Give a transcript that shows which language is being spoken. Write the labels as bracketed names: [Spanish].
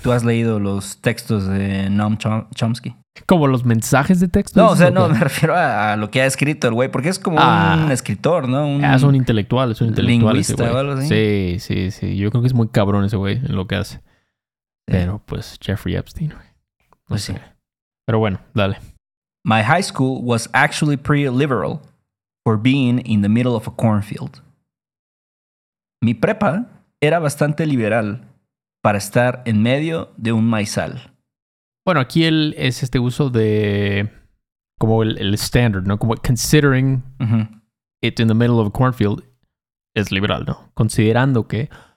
[Spanish] ¿Tú has leído los textos de Noam Chomsky? ¿Como los mensajes de texto? No, o sea, no, me refiero a lo que ha escrito el güey, porque es como un escritor, ¿no? Es un intelectual. Lingüista, ese güey. Sí. Yo creo que es muy cabrón ese güey en lo que hace. Pero, pues, Jeffrey Epstein. No sé. Sí. Pero bueno, dale. [English] My high school was actually pretty liberal for being in the middle of a cornfield. [Spanish] Mi prepa era bastante liberal para estar en medio de un maizal. Bueno, aquí es este uso de... Como el standard, ¿no? Como [English] considering it in the middle of a cornfield [Spanish] es liberal, ¿no? Considerando que...